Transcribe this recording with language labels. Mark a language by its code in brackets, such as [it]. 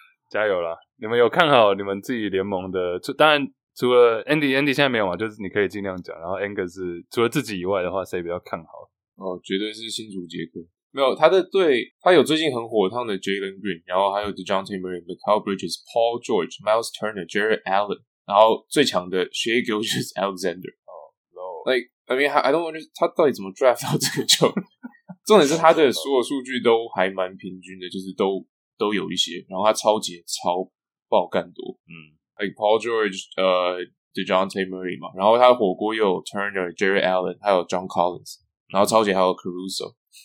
[zh] 加油啦，你们有看好你们自己联盟的？当然除了 Andy 现在没有嘛，就是你可以尽量讲。然后 Angus 是除了自己以外的话，谁比较看好？哦，绝对是新竹捷克。没有他的队，他有最近很火烫的 Jalen Green， 然后还有 DeJounte Murray、Mikal Bridges、Paul George、Miles Turner、Jared Allen， 然后最强的 Shea Gilgeous Alexander。 [en] 哦、oh, ，no， like I mean I don't understand [zh] 他到底怎么 draft 到这个球？重点是他的所有数据都还蛮平均的，就是都有一些，然后他超级超爆干多，嗯，like Paul George, DeJounte Murray 嘛，然后他的火锅又有 Turner, Jerry Allen, 还有 John Collins, 然后超级还有 Caruso,